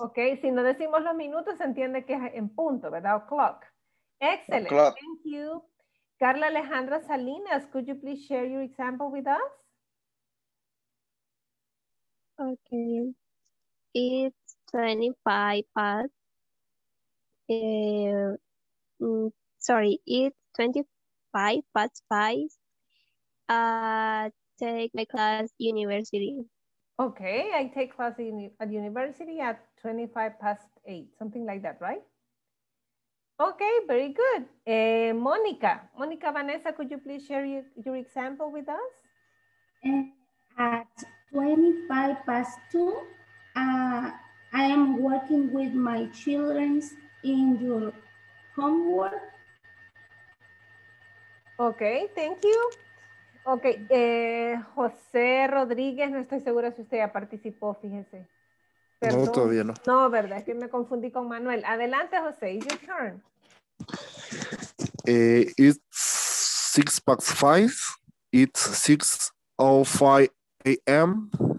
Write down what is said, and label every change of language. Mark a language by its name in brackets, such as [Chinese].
[Spanish] Okay, si no decimos los minutos, se entiende que es en punto, ¿verdad? [English] O'clock. Excellent. O'clock. Thank you. Carla Alejandra Salinas, could you please share your example with us? Okay. It's 25 past 5. Take my class university. Okay, I take class at university at 8:25, something like that, right? Okay, very good. Monica Vanessa, could you please share your example with us? At 2:25, I am working with my children in your homework. Okay, thank you. [Spanish] Okay, José Rodríguez, no estoy segura si usted ya participó, fíjense. Perdón. No, todavía no. No, ¿verdad? Es que me confundí con Manuel. Adelante, José, [English] your turn. It's 6:05. It's 6:05 a.m.